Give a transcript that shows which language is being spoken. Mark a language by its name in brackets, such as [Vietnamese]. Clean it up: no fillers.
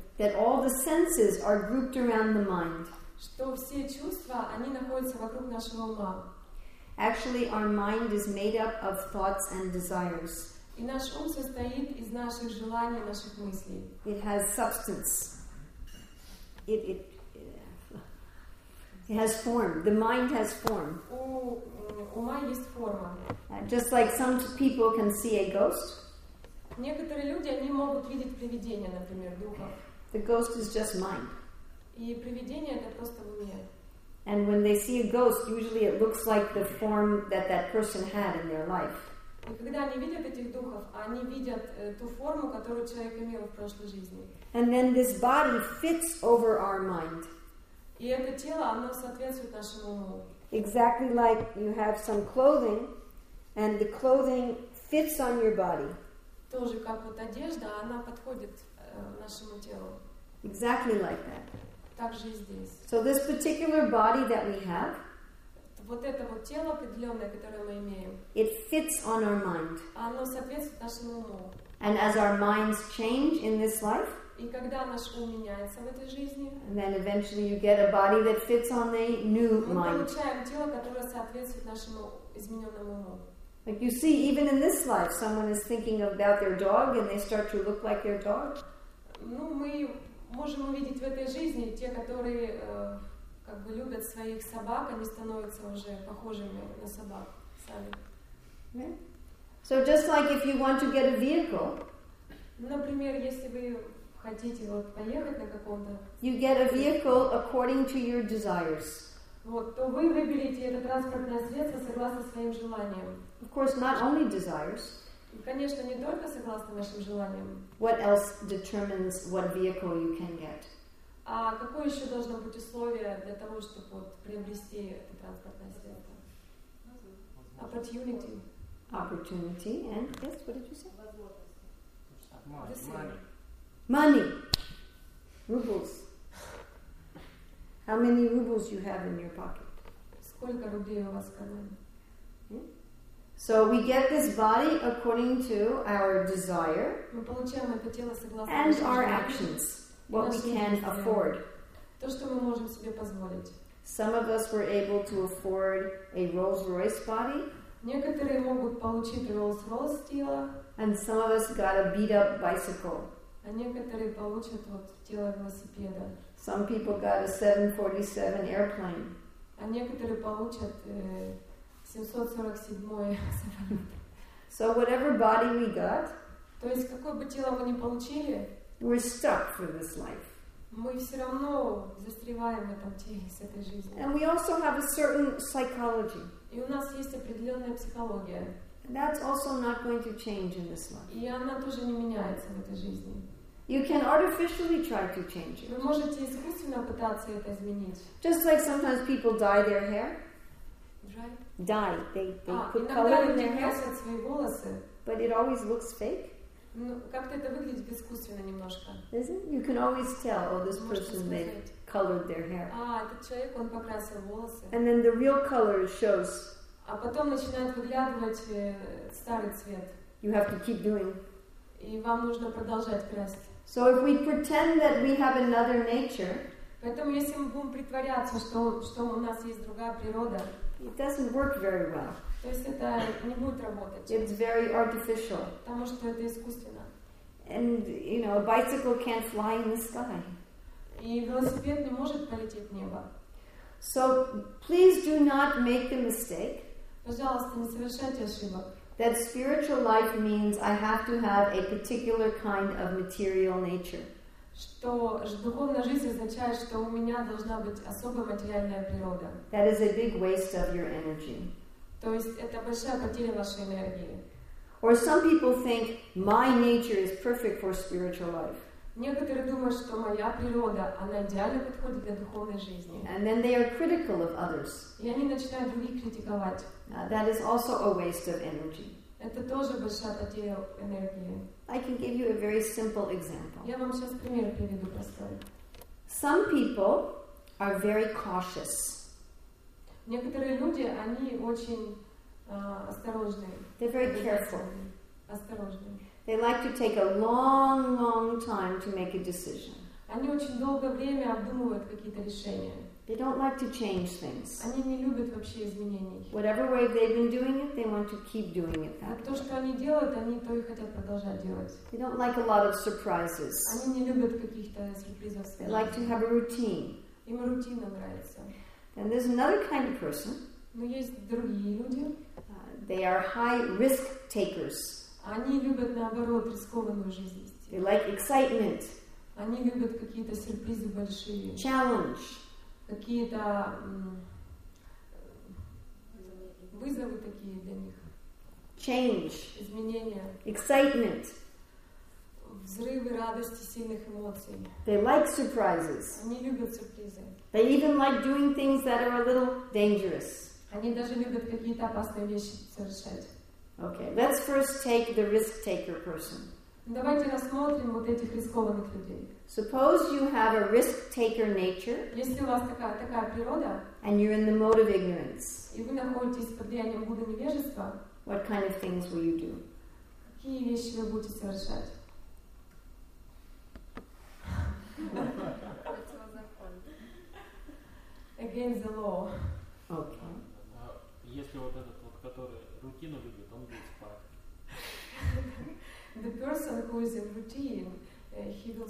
[English] That all the senses are grouped around the mind. [Russian] Что все чувства, они находятся вокруг нашего ума. [English] Actually, our mind is made up of thoughts and desires. [Russian] И наш ум состоит из наших желаний, наших мыслей. [English] It has substance. It has form. The mind has form. [Russian] Ума есть форма. [English] Just like some people can see a ghost. [Russian] Некоторые люди они могут видеть привидения, например, духов. [English] The ghost is just mind. [Russian] И привидение это просто в уме. [English] And when they see a ghost, usually it looks like the form that that person had in their life. [Russian] И когда они видят этих духов, они видят ту форму, которую человек имел в прошлой жизни. [English] And then this body fits over our mind. [Russian] И это тело, оно соответствует нашему уму. [English] Exactly like you have some clothing, and the clothing fits on your body. [Russian] Тоже как вот одежда, она подходит нашему телу. [English] Exactly like that. [Russian] Так же и здесь. [English] So this particular body that we have, [Russian] вот это вот тело определенное, которое мы имеем, [English] it fits on our mind. [Russian] Оно соответствует нашему уму. [English] And as our minds change in this life, [Russian] и когда наш ум меняется в этой жизни, [English] and then eventually you get a body that fits on a new mind. [Russian] Мы получаем тело, которое соответствует нашему измененному уму. [English] Like you see, even in this life, someone is thinking about their dog and they start to look like their dog. [Russian] Ну, мы можем увидеть в этой жизни те, которые как бы любят своих собак, они становятся уже похожими на собак сами. [English] So just like if you want to get a vehicle. [Russian] Например, если вы хотите вот поехать на каком-то. [English] You get a vehicle according to your desires. [Russian] Вот, то вы выберете это транспортное средство согласно своим желаниям. [English] Of course, not only desires. [Russian] И, конечно, не только согласно вашим желаниям. [English] What else determines what vehicle you can get? [Russian] А какое еще должно быть условие для того, чтобы вот приобрести это транспортное средство? [English] Opportunity. Opportunity and yes, what did you say? Money. Money. Rubles. How many rubles you have in your pocket? [Russian] Сколько рублей у вас в кармане? [English] So we get this body according to our desire [Russian] мы получаем это тело согласно [English] and our actions, what we can afford. [Russian] То, что мы можем себе позволить. [English] Some of us were able to afford a Rolls-Royce body. [Russian] Некоторые могут получить Rolls-Royce тело. [English] And some of us got a beat-up bicycle. [Russian] А некоторые получат вот тело велосипеда. [English] Some people got a 747 airplane. [Russian] А некоторые получат 747 самолет. [English] So whatever body we got, [Russian] то есть какое бы тело мы ни получили, [English] we're stuck for this life. [Russian] Мы все равно застреваем в этом теле с этой жизнью. [English] And we also have a certain psychology. [Russian] И у нас есть определенная психология. [English] That's also not going to change in this life. [Russian] И она тоже не меняется в этой жизни. [English] You can artificially try to change it. [Russian] Вы можете искусственно пытаться это изменить. [English] Just like sometimes people dye their hair. Dry? Dye. They put color in their hair. [Russian] Красят свои волосы. [English] But it always looks fake. [Russian] Ну, как-то это выглядит искусственно немножко. [English] Isn't it? You can always tell, oh, this person made colored their hair. [Russian] А, этот человек, он покрасил волосы. [English] And then the real color shows. [Russian] А потом начинает выглядывать старый цвет. [English] You have to keep doing. [Russian] И вам нужно продолжать красить. [English] So if we pretend that we have another nature, [Russian] поэтому если мы будем притворяться, что у нас есть другая природа, [English] it doesn't work very well. [Russian] То есть это не будет работать. [English] It's very artificial. [Russian] Потому что это искусственно. [English] And you know, a bicycle can't fly in the sky. [Russian] И велосипед не может полететь в небо. [English] So please do not make the mistake. [Russian] Пожалуйста, не совершайте ошибок. [English] That spiritual life means I have to have a particular kind of material nature. [Russian] Что духовная жизнь означает, что у меня должна быть особая материальная природа. [English] That is a big waste of your energy. [Russian] То есть это большая потеря вашей энергии. [English] Or some people think my nature is perfect for spiritual life. [Russian] Некоторые думают, что моя природа, она идеально подходит для духовной жизни. [English] And then they are critical of others. [Russian] И они начинают других критиковать. [English] That is also a waste of energy. [Russian] Это тоже большая потеря энергии. [English] I can give you a very simple example. [Russian] Я вам сейчас пример приведу простой. [English] Some people are very cautious. [Russian] Некоторые люди, они очень осторожные. [English] They're very careful. [Russian] Осторожные. [English] They like to take a long, long time to make a decision. [Russian] Они очень долгое время обдумывают какие-то решения. [English] They don't like to change things. [Russian] Они не любят вообще изменений. [English] Whatever way they've been doing it, they want to keep doing it that way. [Russian] То, что они делают, они то и хотят продолжать делать. [English] They don't like a lot of surprises. [Russian] Они не любят каких-то сюрпризов. [English] They like to have a routine. [Russian] Им рутина нравится. [English] And there's another kind of person. [Russian] Но есть другие люди. [English] They are high risk takers. [Russian] Они любят, наоборот, рискованную жизнь вести. [English] They like excitement. [Russian] Они любят какие-то сюрпризы большие. [English] Challenge. [Russian] Какие-то вызовы такие для них. [English] Change. [Russian] Изменения. [English] Excitement. [Russian] Взрывы радости, сильных эмоций. [English] They like surprises. [Russian] Они любят сюрпризы. [English] They even like doing things that are a little dangerous. [Russian] Они даже любят какие-то опасные вещи совершать. [English] Okay, let's first take the risk-taker person. [Russian] Давайте рассмотрим вот этих рискованных людей. [English] Suppose you have a risk-taker nature. [Russian] Если у вас такая природа. [English] And you're in the mode of ignorance. [Russian] И вы находитесь под влиянием буда невежества. [English] What kind of things will you do? [Russian] Какие вещи вы будете совершать? [English] Against the law. Okay. [Russian] Если вот этот вот, который рутину любит, он будет спать. [English] The person who is in routine, he will